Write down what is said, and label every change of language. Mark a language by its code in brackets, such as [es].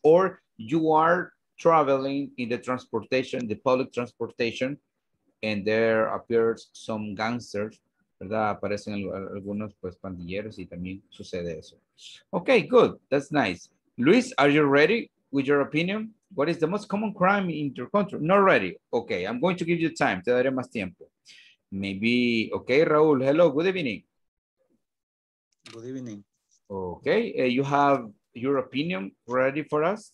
[en] Or you are traveling in the transportation, the public transportation, and there appears some gangsters, ¿verdad? [es] Aparecen algunos pues pandilleros y también sucede eso. [en] Okay, good. That's nice. Luis, are you ready with your opinion? What is the most common crime in your country? Not ready. Okay, I'm going to give you time. [es] Te daré más tiempo. [en] Maybe, okay, Raúl, hello, good evening. Good evening. Okay, you have your opinion ready for us?